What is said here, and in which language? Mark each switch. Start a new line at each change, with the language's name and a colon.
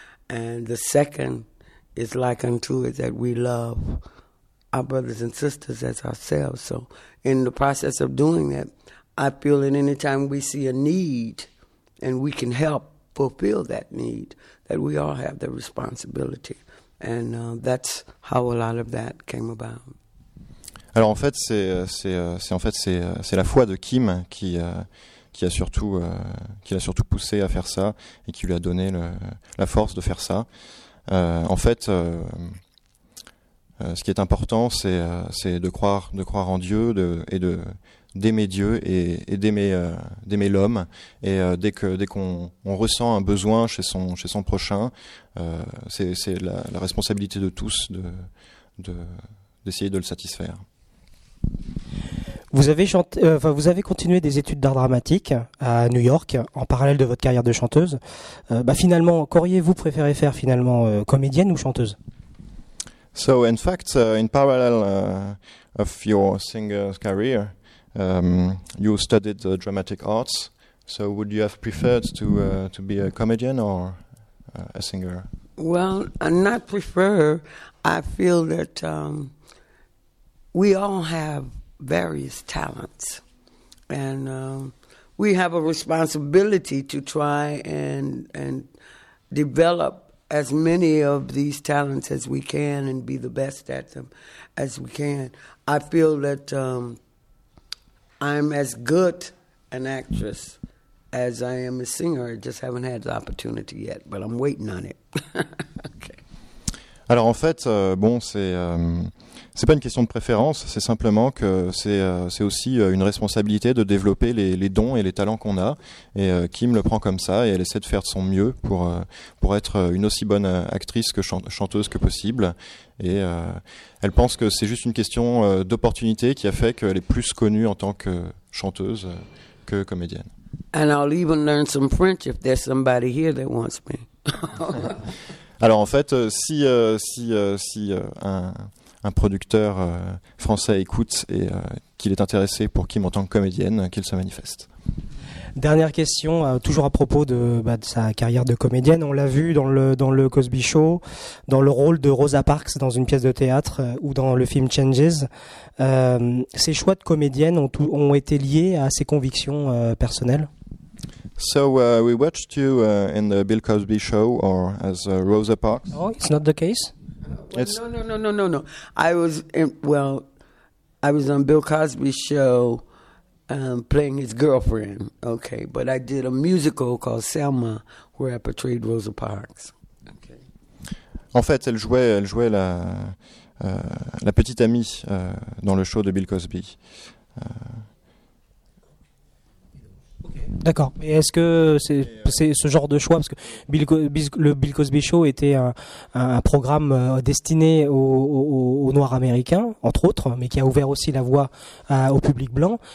English: And the second is like unto it, that we love our brothers and sisters as ourselves. So in the process of doing that, I feel that any time we see a need and we can help fulfill that need, that we all have the responsibility. And that's how a lot of that came about.
French: Alors en fait, c'est la foi de Kim qui l'a surtout poussé à faire ça et qui lui a donné la force de faire ça. Ce qui est important, c'est de croire en Dieu d'aimer Dieu et d'aimer l'homme. Et dès qu'on ressent un besoin chez son prochain, c'est la responsabilité de tous d'essayer de le satisfaire. Vous avez continué des études d'art dramatique à New York en parallèle de votre carrière de chanteuse. Finalement, qu'auriez-vous préféré faire finalement, comédienne ou chanteuse?
English: So in fact, in parallel of your singer's career, you studied dramatic arts. So would you have preferred to be a comedian or a singer? Well, I not prefer. I feel that we all have various talents, and we have a responsibility to try and develop as many of these talents as we can and be the best at them as we can. I feel that I'm as good an actress as I am a singer. I just haven't had the opportunity yet, but I'm waiting on it. Okay.
French: Alors en fait, c'est pas une question de préférence, c'est simplement que c'est aussi une responsabilité de développer les dons et les talents qu'on a. Et Kim le prend comme ça et elle essaie de faire de son mieux pour être une aussi bonne actrice que chanteuse que possible. Et elle pense que c'est juste une question d'opportunité qui a fait qu'elle est plus connue en tant que chanteuse que comédienne.
English: And I'll even learn some French if there's somebody here that wants me.
French: Alors en fait, si un producteur français écoute et qu'il est intéressé pour Kim en tant que comédienne, qu'il se manifeste. Dernière question, toujours à propos de sa carrière de comédienne. On l'a vu dans le Cosby Show, dans le rôle de Rosa Parks dans une pièce de théâtre ou dans le film Changes. Ses choix de comédienne ont été liés à ses convictions personnelles?
English: So we watched you in the Bill Cosby Show or as Rosa Parks. Oh, it's not the case. No. I was on Bill Cosby's show playing his girlfriend. Okay, but I did a musical called Selma where I portrayed Rosa Parks. Okay.
French: En fait, elle jouait la petite amie dans le show de Bill Cosby. D'accord. Et est-ce que c'est ce genre de choix, parce que le Bill Cosby Show était un programme destiné aux Noirs américains, entre autres, mais qui a ouvert aussi la voie au public blanc.